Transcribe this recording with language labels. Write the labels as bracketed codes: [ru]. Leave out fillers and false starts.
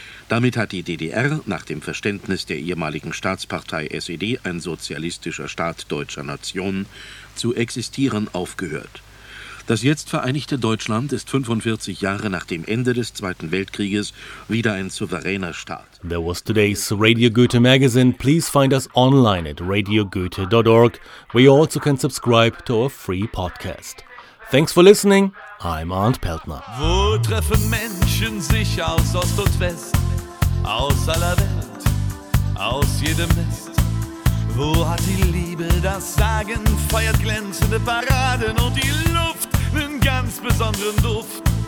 [de] Damit hat die DDR nach dem Verständnis der ehemaligen Staatspartei SED ein sozialistischer Staat deutscher Nation zu existieren aufgehört. Das jetzt vereinigte Deutschland ist 45 Jahre nach dem Ende des Zweiten Weltkrieges wieder ein souveräner Staat. [en] That was today's Radio Goethe magazine. Please find us online at radiogoethe.org, where you also can subscribe to our free podcast. Thanks for listening. I'm Arndt Peltner. [de] Wo treffen Menschen sich aus Ost und West, aus aller Welt, aus jedem Nest? Wo hat die Liebe das Sagen, feiert glänzende Paraden und die Luft einen ganz besonderen Duft?